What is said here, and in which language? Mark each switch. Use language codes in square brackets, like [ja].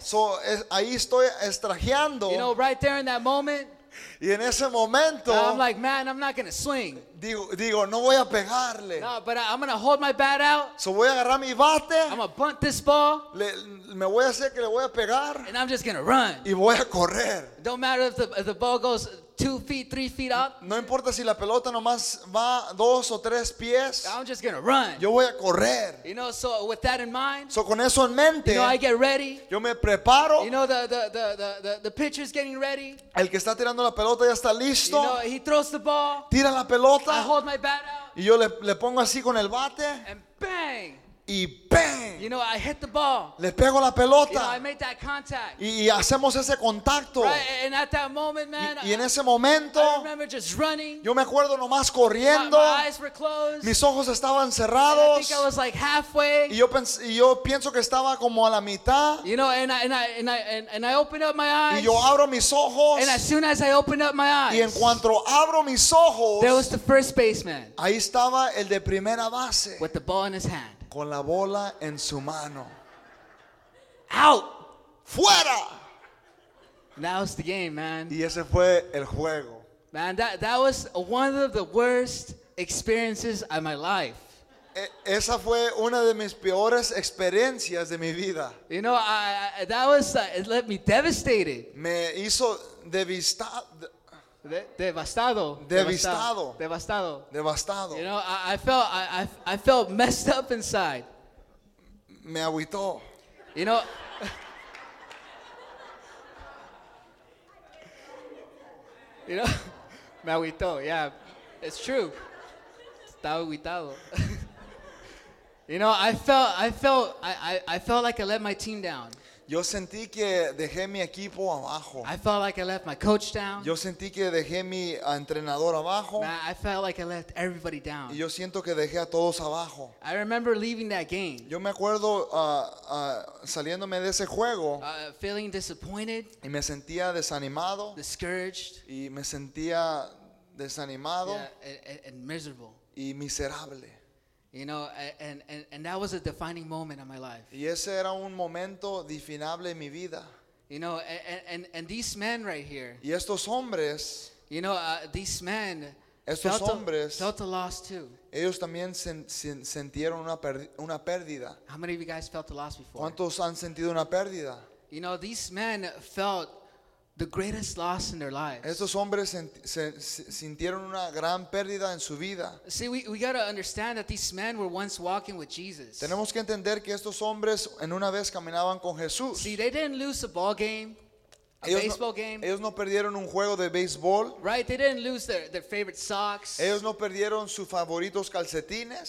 [es] So ahí estoy estrategiando. [en] You know, right there in that moment. [es] Y en ese momento. [en] I'm like, man, I'm not gonna swing. [es] Digo, no voy a pegarle. [en] No, but I'm gonna hold my bat out. [es] So voy a agarrar mi bate. [en] I'm gonna bunt this ball. [es] Me voy a hacer que le voy a pegar. [en] And I'm just gonna run. [es] Y voy a correr. [en] Don't matter if the ball goes 2 feet, 3 feet up. [es] No importa si la pelota nomás va 2 o 3 pies. [en] I'm just gonna run. [es] Yo voy a correr. [en] You know, so with that in mind. [es] So con eso en mente. [en] You know, I get ready. [es] Yo me preparo. [en] You know, the pitcher's getting ready. [es] El que está tirando la pelota ya está listo. [en] You know, he throws the ball. [es] Tira la pelota. [en] I hold my bat out. [es] Y yo le pongo así con el bate. [en] And bang. [es] Y bang. [en] You know, I hit the ball. [es] Le pego la pelota. [en] You know, I made that contact. [es] Y hacemos ese contacto. [en] Right, and at that moment, man. [es] Y en ese momento. [en] I remember just running. [es] Yo me acuerdo nomás corriendo. [en] My eyes were closed. [es] Mis ojos estaban cerrados. [en] And I think I was like halfway. [es] Y yo pienso que estaba como a la mitad. [en] You know, and I opened up my eyes. [es] Y yo abro mis ojos. [en] And as soon as I opened up my eyes. [es] Y en cuanto abro mis ojos. [en] There was the first baseman. [es] Ahí estaba el de primera base. [en] With the ball in his hand. [es] Con la bola en su mano. [en] Out. [es] Fuera. [en] That was the game, man. [es] Y ese fue el juego. [en] Man, that was one of the worst experiences of my life. [es] Esa fue una de mis peores experiencias de mi vida. [en] You know, it left me devastated. [es] Me hizo devastado. [en] You know, I felt messed up inside. [es] Me agüitó. [en] You know. You know, [es] me agüitó. [en] Yeah, it's true. [es] Estaba agüitado. [en] You know, I felt like I let my team down. [es] Yo sentí que dejé mi equipo abajo. [en] I felt like I left my coach down. [es] Yo sentí que dejé mi entrenador abajo. [en] Man, I felt like I left everybody down. [es] Y yo siento que dejé a todos abajo. [en] I remember leaving that game. [es] Yo me acuerdo saliéndome de ese juego. [en] Feeling disappointed. [es] Y me sentía desanimado. [en] Discouraged. [es] Y me sentía desanimado. [en] Yeah, and miserable. [es] Y miserable. [en] You know, and that was a defining moment in my life. [es] Y ese era un momento definable en mi vida. [en] You know, and these men right here. [es] Y estos hombres. [en] You know, these men, [es] Estos hombres [en] felt a loss too. [es] Ellos también sintieron una pérdida. [en] How many of you guys felt a loss before? [es] ¿Cuántos han sentido una pérdida? [en] You know, these men felt the greatest loss in their lives. [es] Estos hombres sintieron una gran pérdida en su vida. [en] See, we got to understand that these men were once walking with Jesus. [es] Tenemos que entender que estos hombres en una vez caminaban con Jesús. [en] See, they didn't lose a ball game. [es] Ellos no perdieron un juego de béisbol. [en] Right, they didn't lose their favorite socks. [es] Ellos no perdieron sus favoritos calcetines.